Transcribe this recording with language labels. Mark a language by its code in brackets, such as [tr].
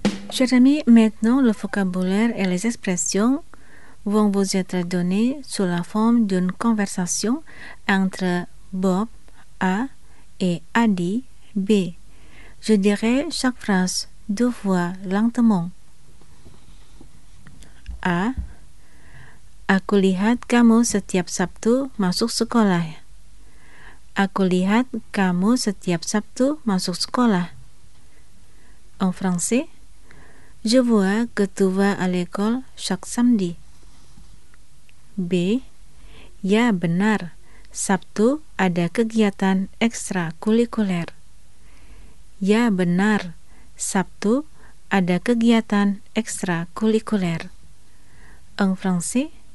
[fr] Chers amis, maintenant le vocabulaire et les expressions vont vous être donnés sous la forme d'une conversation entre Bob, A, et Adi, B. Je dirai chaque phrase deux fois lentement. A. [id] Aku lihat kamu setiap Sabtu masuk sekolah. Aku lihat kamu setiap Sabtu masuk sekolah. [fr] En français. Je vois que tu vas à l'école chaque samedi. [id] B. Ya benar, Sabtu ada kegiatan ekstrakurikuler. Ya benar, Sabtu ada kegiatan ekstrakurikuler. [fr] En français.